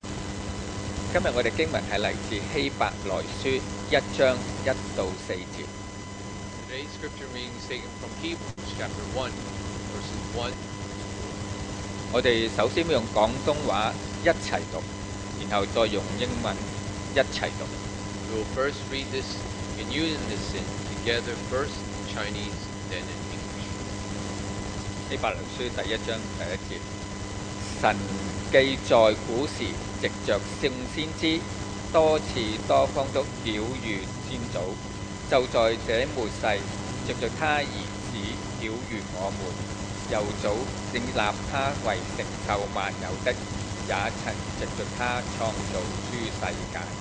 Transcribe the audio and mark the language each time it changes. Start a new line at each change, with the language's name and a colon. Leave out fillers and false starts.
Chinese: 今天我的经文是来自希伯来书一章一到四节。
English: Today's scripture reading is taken from Hebrews chapter 1, verses 1.
Chinese: 我们首先用广东话一起读，然后再用英文一起读。
English: We will first read this in unison together, first in Chinese, then in English.
Chinese: 希伯来书第一章第一节，神既在古时藉着圣先知多次多方都晓谕先祖，就在这末世藉着他儿子晓谕我们，又早定立他为承受万有的，也曾藉着他创造诸世界。